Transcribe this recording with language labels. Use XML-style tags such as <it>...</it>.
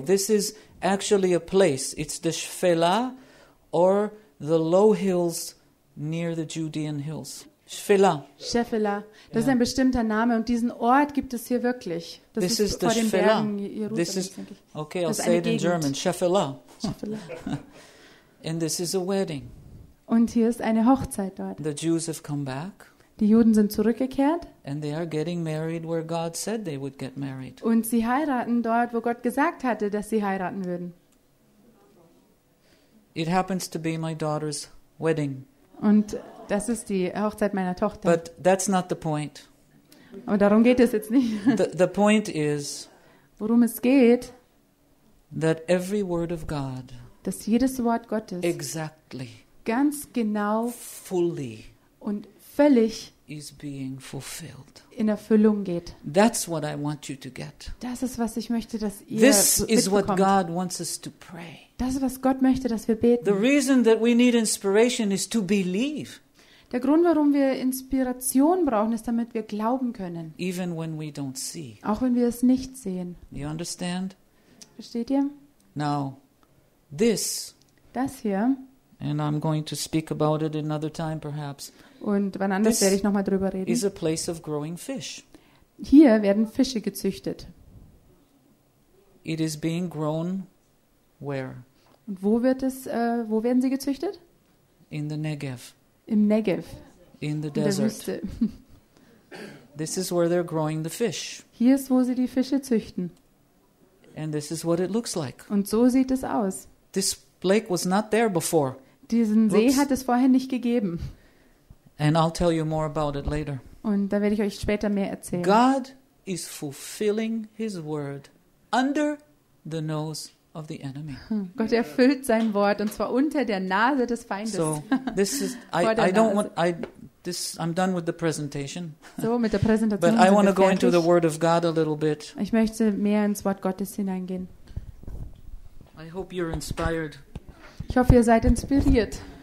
<en>This is actually a place. It's the Shfela or the low hills near the Judean hills. Shephela. Shephela.</en> <de>Das ist ein bestimmter Name und diesen Ort gibt es hier wirklich. Das</de> <en>this</en> <de>ist</de> <en>is</en> <de>vor den Shephela. Bergen Jerusalem.</de> <en>This is, okay, I'll say it</en> <de>Gegend.</de> <en>In German. Shephela. Shephela. And this is a wedding.</en> <de>Und hier ist eine Hochzeit dort.</de> <en>The Jews have come back.</en> <de>Die Juden sind zurückgekehrt.</de> <en>And they are getting married where God said they would get married.</en> <de>Und sie heiraten dort, wo Gott gesagt hatte, dass sie heiraten würden.</de> <en>It happens to be my daughter's wedding.</en> <de>Und das ist die Hochzeit meiner Tochter.</de> <en>But that's not the point.</en> <de>Aber darum geht es jetzt nicht.</de> <en>The point is,</en> <de>worum es geht,</de> <en>that every word of God,</en> <de>dass jedes Wort Gottes</de> <en>exactly,</en> <de>ganz genau</de> <en>fully,</en> <de>und völlig</de> <en>is being fulfilled.</en> <de>In Erfüllung geht.</de> <en>That's what I want you to get.</en> <de>Das ist, was ich möchte, dass ihr</de> <en>this</en> <de>mitbekommt.</de> <en>Is what God wants us to pray.</en> <de>Das ist, was Gott möchte, dass wir beten.</de> <en>The reason that we need inspiration is to believe.</en> <de>Der Grund, warum wir Inspiration brauchen, ist, damit wir glauben können.</de> <en>Even when we don't see.</en> <de>Auch wenn wir es nicht sehen.</de> <en>You understand?</en> <de>Versteht ihr?</de> <en>Now, this.</en> <de>Das hier.</de> <en>And I'm going to speak about it another time, perhaps.</en> <de>Und wann anders werde ich nochmal drüber reden.</de> <en>Is a place of growing fish.</en> <de>Hier werden Fische gezüchtet.</de> <en>It is being grown. Where?</en> <de>Und wo wird es? Wo werden sie gezüchtet?</de> <en>In the Negev.</en> <de>Im Negev.</de> <en>In the desert.</en> <de>In der Wüste.</de> <en>This is where they're growing the fish.</en> <de>Hier ist, wo sie die Fische züchten.</de> <en>And this is what it looks like.</en> <de>Und so sieht es aus.</de> <en>This lake was not there before.</en> <de>Diesen See Oops. Hat es vorher nicht gegeben.</de> <en>And I'll tell you more about it later.</en> <de>Und da werde ich euch später mehr erzählen.</de> <en>God is fulfilling His word under the nose of the enemy.</en> <de>Gott erfüllt sein Wort und zwar unter der Nase des Feindes.</de> <en>So this is I'm done with the presentation.</en> <de>So mit der Präsentation.</de> <en>But I want to go into the Word of God a little bit.</en> <de>Ich möchte mehr ins Wort Gottes hineingehen.</de> <en>I hope you're inspired.</en> <de>Ich hoffe, ihr seid inspiriert.</de>